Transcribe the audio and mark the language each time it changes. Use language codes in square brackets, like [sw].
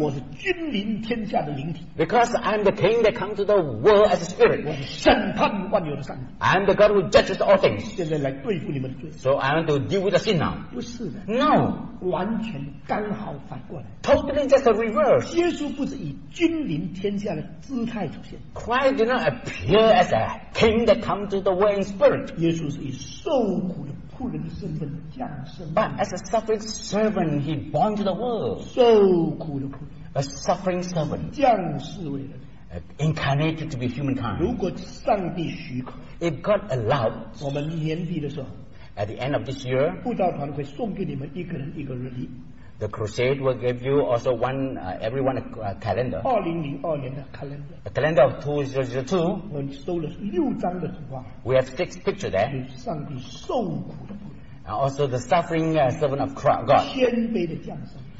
[zh] 我是君临天下的灵体。 [en] Because I'm the king that comes to the world as a spirit. [zh] 我是审判万有的上帝。 [en] I'm the God who judges all things. [zh] 现在来对付你们的罪。 [en] So I want to deal with the sin now. [zh] 不是的。 [en] No. [zh] 完全刚好反过来。 [en] Totally just the reverse. [zh] 耶稣不是以君临天下的姿态出现。 [en] Christ did not appear as a king that comes to the world in spirit. [zh] 耶稣是以受苦的仆人的身份降生。 [en] But as a suffering servant, he born to the world. [zh] 受苦的仆人。 [en] A suffering servant. [zh] 降世为人。 [en] Incarnated to be humankind. [zh] 如果上帝许可， [en] if God allowed, [zh] 我们年底的时候， [en] at the end of this year, [zh] 布道团会送给你们一个人一个日历。 [en] The crusade will give you also one, everyone a calendar. [zh] 2002年的 calendar. [en] A calendar of 2002. [zh] 我们收了六张的图画。 [en] We have six pictures there. [zh] 是上帝受苦的仆人。 [en] Also the suffering servant of God. [zh] 谦卑的降生。